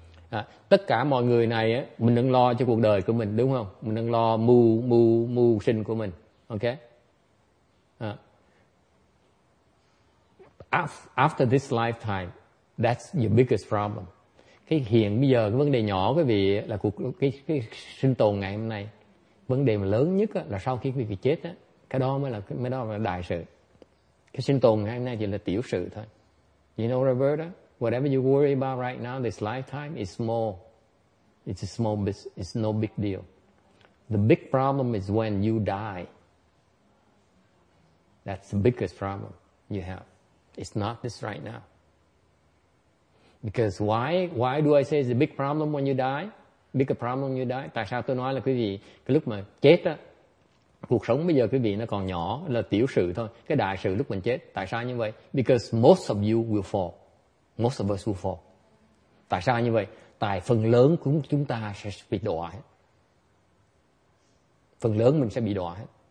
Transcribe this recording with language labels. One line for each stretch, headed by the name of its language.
Vietnamese: À, tất cả mọi người này á, mình đang lo cho cuộc đời của mình, đúng không? Mình đang lo mưu sinh của mình, ok?
English: After this lifetime, that's your biggest problem.
Vietnamese: Cái hiện bây giờ, cái vấn đề nhỏ quý vị là cái sinh tồn ngày hôm nay, vấn đề mà lớn nhất á, là sau khi quý vị chết á, cái đó mới là đại sự. Cái sinh tồn ngày hôm nay chỉ là tiểu sự thôi.
English: You know the word đó? Whatever you worry about right now, this lifetime is small. It's a small business. It's no big deal. The big problem is when you die. That's the biggest problem you have. It's not this right now. Because why do I say it's a big problem when you die? Big problem when you die?
Vietnamese: Tại sao tôi nói là quý vị, cái lúc mà chết á, cuộc sống bây giờ quý vị nó còn nhỏ, là tiểu sự thôi. Cái đại sự lúc mình chết, tại sao như vậy?
English: Because most of you will fall. Most of us will fall.
Vietnamese: Tại sao như vậy? Tại phần lớn của chúng ta sẽ bị đọa hết. Phần lớn mình sẽ bị đọa hết.